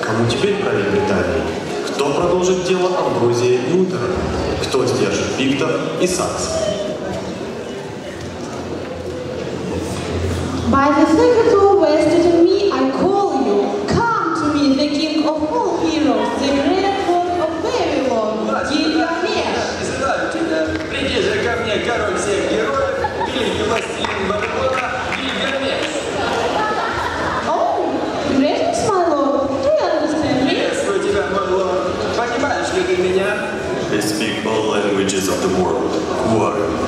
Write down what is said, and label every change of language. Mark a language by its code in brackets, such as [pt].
[ru] теперь правит Британией? Кто продолжит дело Амброзия и Утера? Кто сдержит пиктов и саксов? [en] By the thing that all wasted in me, I call you. Come to me, the king of all heroes, the great lord of Babylon, Gilgamesh. [ru] Приди же ко мне, король всех героев, великий властелин Бабилона, Гильгамеш. [en] Oh, greetings, my lord. Do you understand me? [ru] Приветствую тебя, мой лорд. Понимаешь ли ты меня? [en] I speak all languages of the world. What?